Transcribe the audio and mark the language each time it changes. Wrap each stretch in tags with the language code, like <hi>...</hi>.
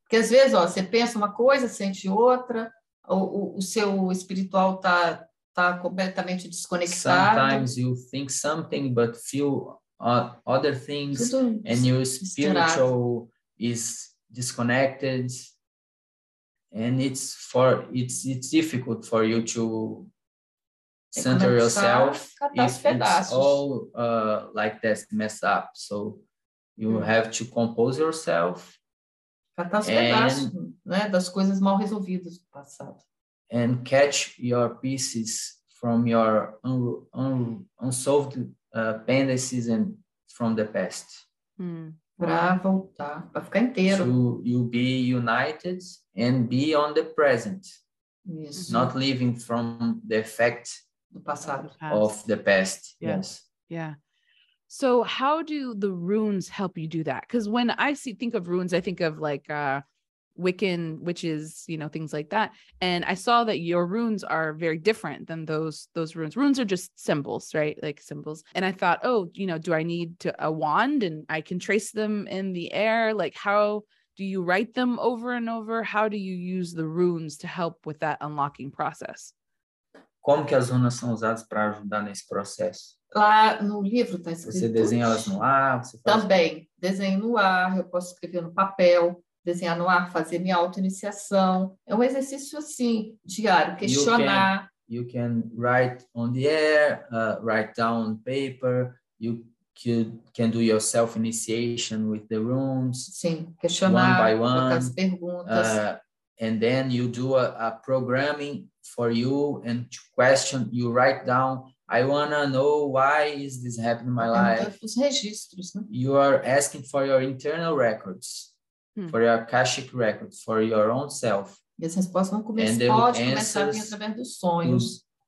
<pt>Porque às vezes, ó, você pensa uma coisa, sente outra, o seu espiritual tá completamente desconectado.</pt> <en>Sometimes you think something but feel other things, tudo and your spiritual misturado. Is disconnected, and it's difficult for you to center yourself</en> <pt>if pedaços.</pt> <en>It's all like that messed up. So you have to compose yourself.</en> <pt>Catar os pedaços, né, das coisas mal resolvidas do passado.</pt> <en>And catch your pieces from your unsolved pendencies and from the past.</en> <pt>Para voltar, para ficar inteiro.</pt> <en>To you be united and be on the present.</en> <pt>Isso.</pt> <en>Not living from the effect</en> <pt>do passado.</pt> <en>Of the past. Yes. Yeah. So how do the runes help you do that? Because when I think of runes, I think of like Wiccan, witches, you know, things like that. And I saw that your runes are very different than those runes. Runes are just symbols, right? Like symbols. And I thought, oh, you know, do I need a wand and I can trace them in the air? Like, how do you write them over and over? How do you use the runes to help with that unlocking process?</en> <pt>Como que as runas são usadas para ajudar nesse processo? Lá no livro está escrito. Você desenha elas no ar? Também. Desenho no ar, eu posso escrever no papel, desenhar no ar, fazer minha auto-iniciação. É um exercício assim, diário, questionar.</pt> <en>You can write on the air, write down on paper, you can do your self-initiation with the runes.</en> <pt>Sim, questionar,</pt> <en>one by one,</en> <pt>colocar as perguntas.</pt> <en>And then you do a programming for you and to question, you write down, I want to know why is this happening in my life.</en> <pt>Os registros, né?</pt> <en>You are asking for your internal records, for your Akashic records, for your own self.</en> <pt>E as respostas vão começar, pode começar a vir através dos sonhos.</pt>